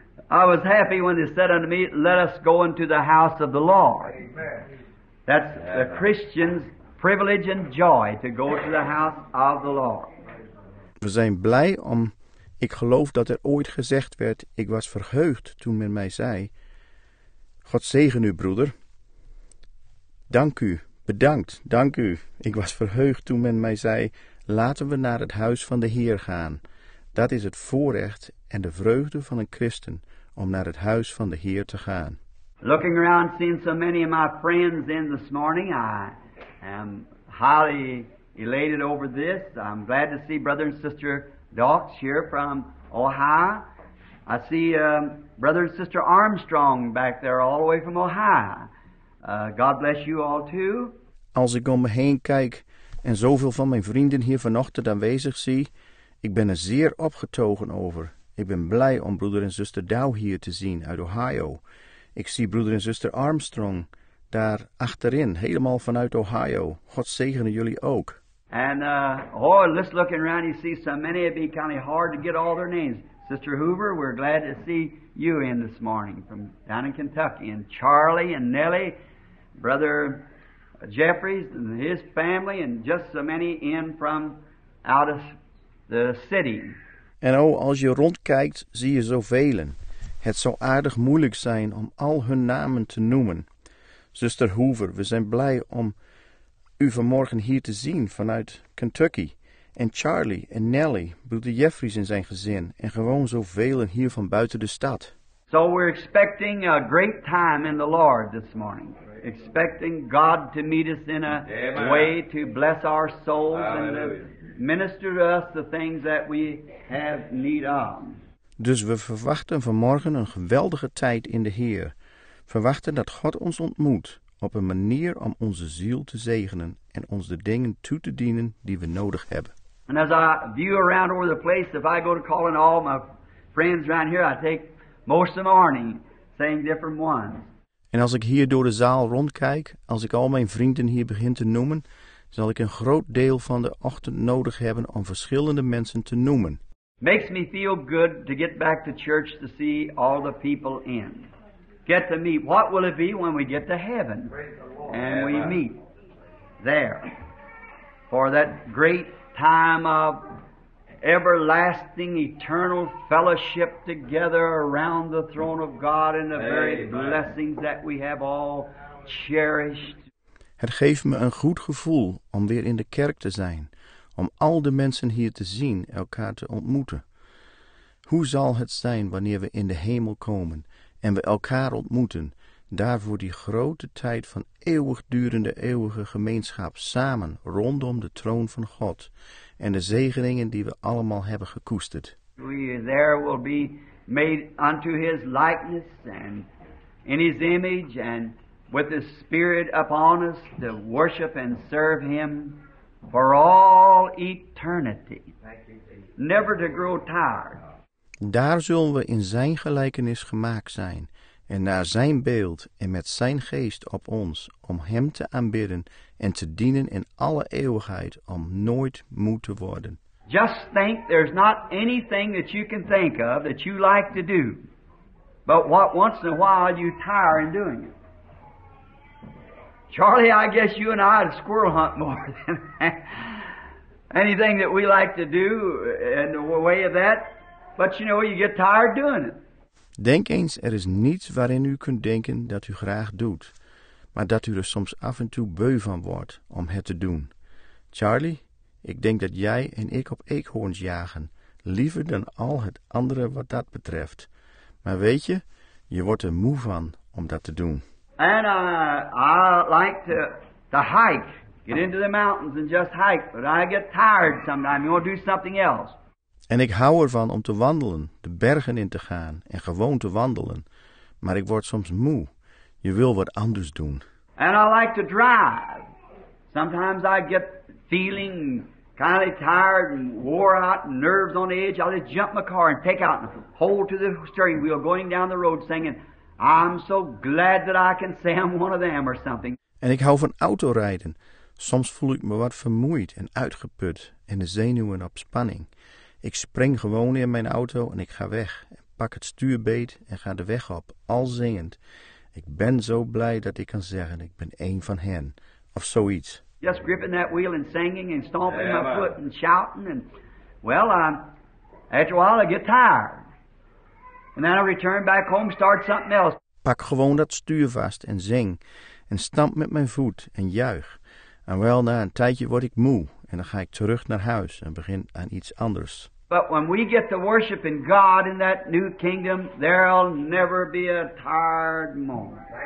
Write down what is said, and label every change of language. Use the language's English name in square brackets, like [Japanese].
[English] I was happy when they said unto me, let us go into the house of the Lord. Amen. That's the Christian's privilege and joy to go to the house of the Lord. [Dutch] We zijn blij om, ik geloof dat er ooit gezegd werd, ik was verheugd toen men mij zei, God zegen u, broeder. Dank u. Bedankt, dank u. Ik was verheugd toen men mij zei, laten we naar het huis van de Heer gaan. Dat is het voorrecht en de vreugde van een christen om naar het huis van de Heer te gaan. [English] Looking around, seeing so many of my friends in this morning, I am highly elated over this. I'm glad to see brother and sister Dawkins here from Ohio. I see brother and sister Armstrong back there all the way from Ohio. God bless you all too. [Dutch] Als ik om me heen kijk en zoveel van mijn vrienden hier vanochtend aanwezig zie, ik ben er zeer opgetogen over. Ik ben blij om broeder en zuster Dow hier te zien uit Ohio. Ik zie broeder en zuster Armstrong daar achterin, helemaal vanuit Ohio. God zegene jullie ook. [English] And just looking around, you see so many, it'd be kind of hard to get all their names. Sister Hoover, we're glad to see you in this morning from down in Kentucky. And Charlie and Nellie, Brother Jeffries and his family, and just so many in from out of the city. [Dutch] En oh, als je rondkijkt, zie je zo velen. Het zou aardig moeilijk zijn om al hun namen te noemen. Sister Hoover, we zijn blij om u vanmorgen hier te zien vanuit Kentucky. En Charlie en Nellie, broeder Jeffries en zijn gezin, en gewoon zoveel hier van buiten de stad. [English] So we're expecting a great time in the Lord this morning. Expecting God to meet us in a way to bless our souls. Hallelujah. And minister to us the things that we have need of. [Dutch] Dus we verwachten vanmorgen een geweldige tijd in de Heer. Verwachten dat God ons ontmoet op een manier om onze ziel te zegenen en ons de dingen toe te dienen die we nodig hebben. [English] And as I view around over the place, if I go to call in all my friends around here, I take most of the morning saying different ones. [Dutch] En als ik hier door de zaal rondkijk, als ik al mijn vrienden hier begin te noemen, zal ik een groot deel van de ochtend nodig hebben om verschillende mensen te noemen. [English] Makes me feel good to get back to church to see all the people in. Get to meet. What will it be when we get to heaven? And we meet there for that great time of everlasting, eternal fellowship together around the throne of God and the very blessings that we have all cherished. [Dutch] Het geeft me een goed gevoel om weer in de kerk te zijn, om al de mensen hier te zien, elkaar te ontmoeten. Hoe zal het zijn wanneer we in de hemel komen en we elkaar ontmoeten, daarvoor die grote tijd van eeuwigdurende eeuwige gemeenschap samen rondom de troon van God en de zegeningen die we allemaal hebben gekoesterd. [English] We there will be made unto his likeness and in his image and with his spirit upon us to worship and serve him for all eternity. Never to grow tired. [Dutch] Daar zullen we in zijn gelijkenis gemaakt zijn en naar zijn beeld en met zijn geest op ons om hem te aanbidden en te dienen in alle eeuwigheid om nooit moe te worden. [English] Just think there's not anything that you can think of that you like to do, but what once in a while you tire in doing it. Charlie, I guess you and I squirrel hunt more than anything that we like to do in the way of that. But you know, you get tired doing it. [Dutch] Denk eens, er is niets waarin u kunt denken dat u graag doet, maar dat u er soms af en toe beu van wordt om het te doen. Charlie, ik denk dat jij en ik op eekhoorns jagen, liever dan al het andere wat dat betreft. Maar weet je, je wordt er moe van om dat te doen. [English] And I like to hike, get into the mountains and just hike, but I get tired sometimes, you want to do something else. [Dutch] En ik hou ervan om te wandelen, de bergen in te gaan en gewoon te wandelen, maar ik word soms moe. Je wil wat anders doen. [English] And I like to drive. Sometimes I get feeling kind of tired and wore out and nerves on edge. I just jump my car and take out and hold to the steering wheel going down the road singing, I'm so glad that I can say I'm one of them or something. [Dutch] En ik hou van autorijden. Soms voel ik me wat vermoeid en uitgeput en de zenuwen op spanning. Ik spring gewoon in mijn auto en ik ga weg. Ik pak het stuurbeet en ga de weg op, al zingend. Ik ben zo blij dat ik kan zeggen, ik ben één van hen. Of zoiets. [English] Just gripping that wheel and singing and stomping my foot and shouting. And well, after a while I get tired. And then I return back home, start something else. [Dutch] Pak gewoon dat stuur vast en zing. En stamp met mijn voet en juich. En wel, na een tijdje word ik moe. En dan ga ik terug naar huis en begin aan iets anders. [English] But when we get to worship in God in that new kingdom, there'll never be a tired moment.